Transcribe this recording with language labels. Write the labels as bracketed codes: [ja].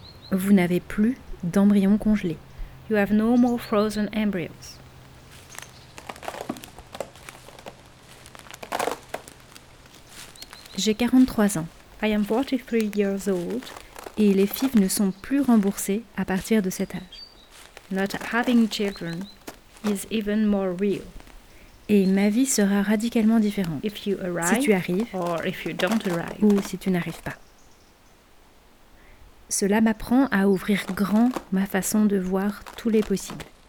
[fr] Vous n'avez plus d'embryon congelé. [en] You have no more frozen embryos. [fr] J'ai 43 ans. [en] I am 43 years old. [fr] Et les FIV ne sont plus remboursées à partir de cet âge. [en] Not having children is even more real. [fr] Et ma vie sera radicalement différente [en] if you arrive, [fr] si tu arrives [en] or if you don't arrive. [fr] Ou si tu n'arrives pas. Cela m'apprend à ouvrir grand ma façon de voir tous les possibles.